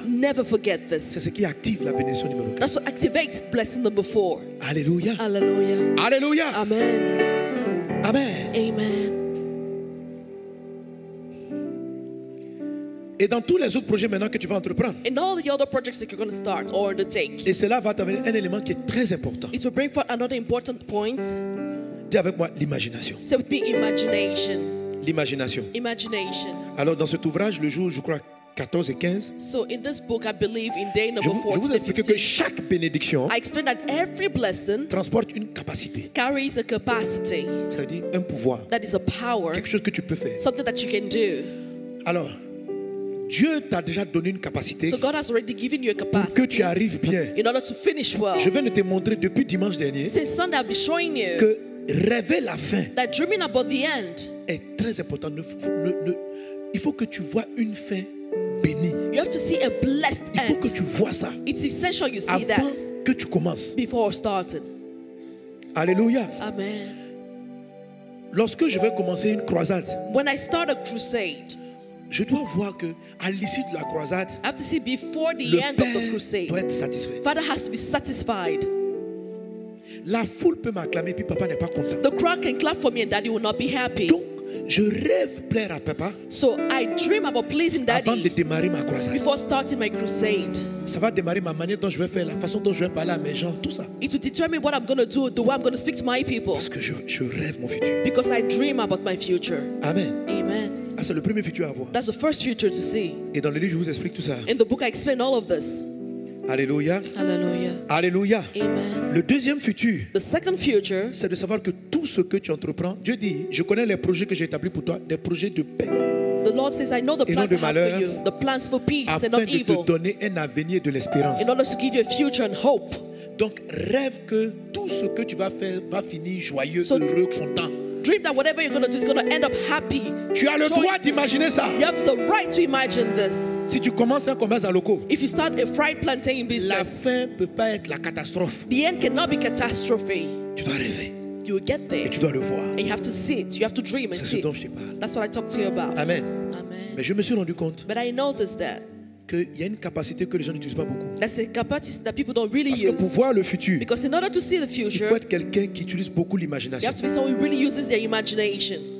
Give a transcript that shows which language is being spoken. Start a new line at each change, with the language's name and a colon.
English: Never forget this.
French: C'est ce qui active la bénédiction numéro 4.
English: That's what activates blessing number 4. Alléluia. Alléluia. Alléluia. Amen. Amen. Amen.
French: Et dans tous les autres projets maintenant que tu vas entreprendre.
English: In all the other projects that you're going to start or undertake.
French: Et cela va t'amener un élément qui est très important.
English: It will bring forth another important point.
French: Dis avec moi l'imagination.
English: Say with me imagination.
French: L'imagination.
English: Imagination.
French: Alors dans cet ouvrage, le jour, je crois, 14 et 15.
English: So in this book, I believe in day number 14.
French: Je vous explique que chaque bénédiction.
English: I explain that every blessing
French: transporte une capacité.
English: Carries a capacity.
French: C'est-à-dire un pouvoir.
English: That is a power.
French: Quelque chose que tu peux faire.
English: Something that you can do.
French: Alors, Dieu t'a déjà donné une capacité.
English: So God has already given you a capacity.
French: Pour que tu arrives bien.
English: In order to finish well.
French: Je viens de te montrer depuis dimanche dernier.
English: Since Sunday, I've been showing you.
French: Que rêver la fin.
English: That dreaming about the end.
French: Est très important. Il faut que tu vois une fin bénie.
English: You have to see a blessed end.
French: Il faut que tu vois ça.
English: It's essential you see that.
French: Avant que tu commences.
English: Before starting. Alléluia. Amen.
French: Lorsque je vais commencer une croisade.
English: When I start a crusade.
French: Je dois voir que à l'issue de la croisade.
English: I have to see before the end of the crusade.
French: Doit être satisfait.
English: Father has to be satisfied.
French: La foule peut m'acclamer puis papa n'est pas content.
English: The crowd can clap for me and daddy will not be happy.
French: Donc je rêve plaire à papa.
English: So I dream about pleasing daddy.
French: Avant de démarrer ma croisade.
English: Before starting my crusade.
French: Ça va démarrer ma manière dont je vais faire, la façon dont je vais parler à mes gens, tout ça.
English: It will determine what I'm going to do, the way I'm going to speak to my people.
French: Parce que je rêve mon futur.
English: Because I dream about my future. Amen. Amen.
French: Ah, c'est le premier futur à voir.
English: That's the first future to see.
French: Et dans le livre je vous explique tout ça.
English: In the book I explain all of this. Alléluia. Alléluia. Alléluia. Amen.
French: Le deuxième futur,
English: the second future,
French: c'est de savoir que tout ce que tu entreprends, Dieu dit, je connais les projets que j'ai établis pour toi, des projets de paix.
English: The Lord says, I know the plans
French: de malheur,
English: I have for you, the plans for peace and not evil.
French: Afin de te donner un avenir de l'espérance.
English: In order to give you a future and hope.
French: Donc rêve que tout ce que tu vas faire va finir joyeux, so, heureux, content.
English: Dream that whatever you're going to do is going to end up happy.
French: Tu as le droit d'imaginer ça.
English: You have the right to imagine this.
French: Si tu commences un commerce à locaux,
English: if you start a fried plantain business,
French: la fin peut pas être la catastrophe.
English: The end cannot be catastrophe.
French: Tu dois rêver.
English: You will get there.
French: Et tu dois le voir.
English: And you have to see it. You have to dream and
French: see. C'est ce dont je parle.
English: That's what I talk to you about. Amen. Amen.
French: Mais je me suis rendu compte.
English: But I noticed that.
French: Qu'il y a une capacité que les gens n'utilisent pas beaucoup.
English: That's a capacity that people don't really
French: use. Parce que pour voir le futur,
English: because in order to see the future,
French: il faut être quelqu'un qui utilise beaucoup l'imagination.
English: You have to be someone who really uses their imagination.